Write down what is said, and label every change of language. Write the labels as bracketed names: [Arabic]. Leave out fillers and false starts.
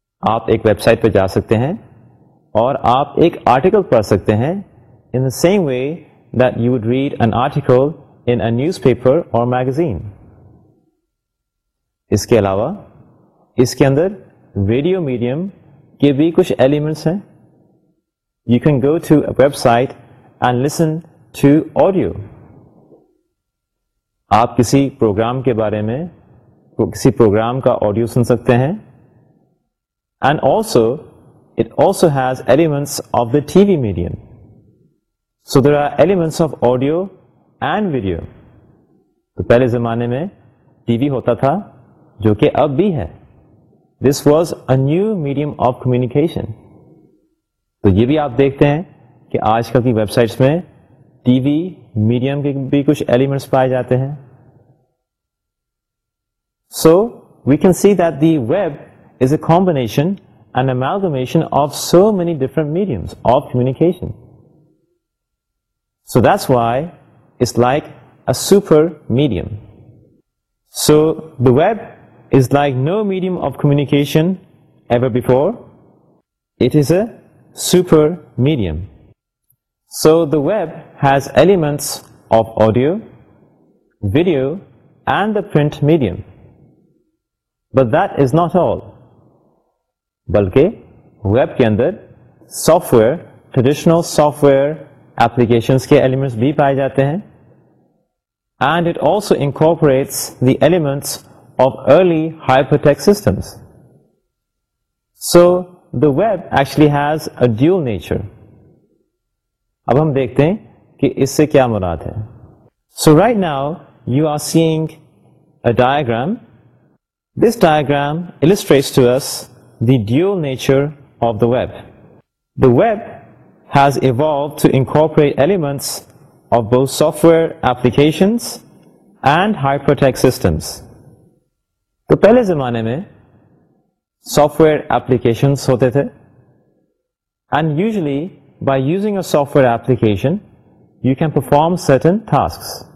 [Urdu] آپ ایک web site پہ جا سکتے ہیں اور آپ ایک آرٹیکل پڑھ سکتے ہیں [English] in the same way that you would read an article in a newspaper or magazine. [Urdu] اس کے علاوہ اس کے اندر ریڈیو میڈیم کے بھی کچھ ایلیمنٹس ہیں. [English] You can go to a website and listen to audio. [Urdu] آپ کسی پروگرام کے بارے میں کسی پروگرام کا آڈیو سن سکتے ہیں. [English] And also, it also has elements of the TV medium. So there are elements of audio and video. [Urdu] تو پہلے زمانے میں ٹی وی ہوتا تھا جو کہ اب بھی ہے. [English] This was a new medium of communication. [Urdu] تو یہ بھی آپ دیکھتے ہیں کہ آج کل کی ویب سائٹس میں ٹی وی میڈیم کے بھی کچھ ایلیمنٹس پائے جاتے ہیں. [English] So we can see that the web is a combination, an amalgamation of so many different mediums of communication. So that's why it's like a super medium. So the web is like no medium of communication ever before. It is a super medium. So the web has elements of audio, video, and the print medium. But that is not all. [Urdu] بلکہ web کے اندر soft where, traditional soft where applications کے elements بھی پائے جاتے ہیں. [English] And it also incorporates the elements of early hypertext systems. So the web actually has a dual nature. [Urdu] اب ہم دیکھتے ہیں کہ اس سے کیا مراد ہے. [English] So right now you are seeing a diagram. This diagram illustrates to us the dual nature of the web. The web has evolved to incorporate elements of both software applications and hypertext systems. [Urdu] تو پہلے زمانے میں software applications ہوتے تھے. [English] And usually, by using a software application, you can perform certain tasks.